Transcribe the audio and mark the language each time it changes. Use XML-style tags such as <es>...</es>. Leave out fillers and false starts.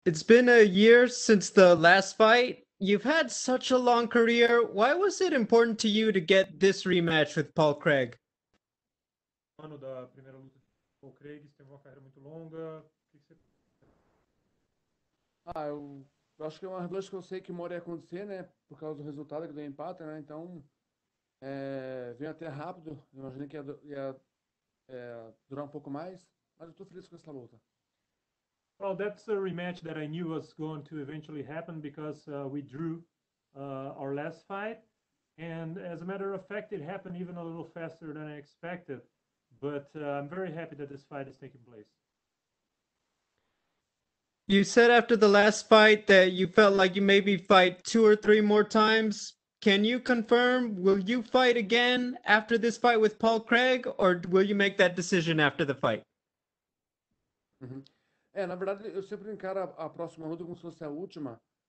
<en>It's been a year since the last fight. You've had such a long career. Why was it important to you to get this rematch with Paul Craig?</en> <pt>Mano da primeira luta do Paul Craig, você teve uma carreira muito longa. Ah, eu acho que é uma revanche que eu sei que mora ia acontecer, né? Por causa do resultado que deu empate, né? Então, vem até rápido. Imaginei que ia durar um pouco mais, mas eu tô feliz com essa luta.</pt> <en>Well, that's a rematch that I knew was going to eventually happen because we drew our last fight. And as a matter of fact, it happened even a little faster than I expected. But I'm very happy that this fight is taking place. You said after the last fight that you felt like you maybe fight two or three more times. Can you confirm, will you fight again after this fight with Paul Craig, or will you make that decision after the fight?</en> <pt>É, na verdade, eu sempre encaro a próxima luta como se fosse a última.</pt>